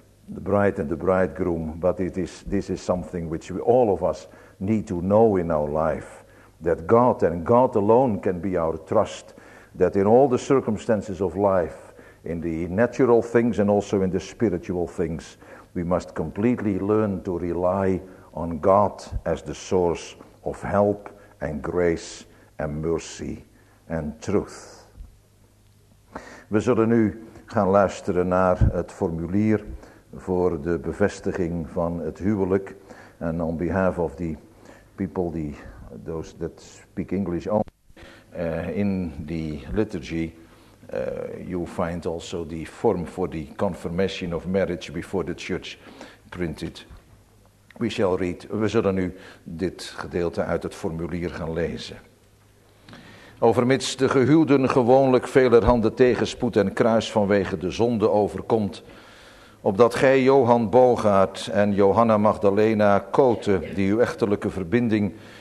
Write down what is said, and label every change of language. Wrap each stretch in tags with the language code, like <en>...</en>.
<en>the bride and the bridegroom, but this is something which we all of us need to know in our life, that God and God alone can be our trust, that in all the circumstances of life, in the natural things and also in the spiritual things, we must completely learn to rely on God as the source of help and grace and mercy and truth.</en> <nl>We zullen nu gaan luisteren naar het formulier voor de bevestiging van het huwelijk.</nl> <en>And on behalf of the people, those that speak English only, in the liturgy, you find also the form for the confirmation of marriage before the church printed.</en> <nl>We zullen nu dit gedeelte uit het formulier gaan lezen. Overmits de gehuwden gewoonlijk velerhande tegenspoed en kruis vanwege de zonde overkomt, opdat gij Johan Bogaert en Johanna Magdalena Kote, die uw echtelijke verbinding</nl>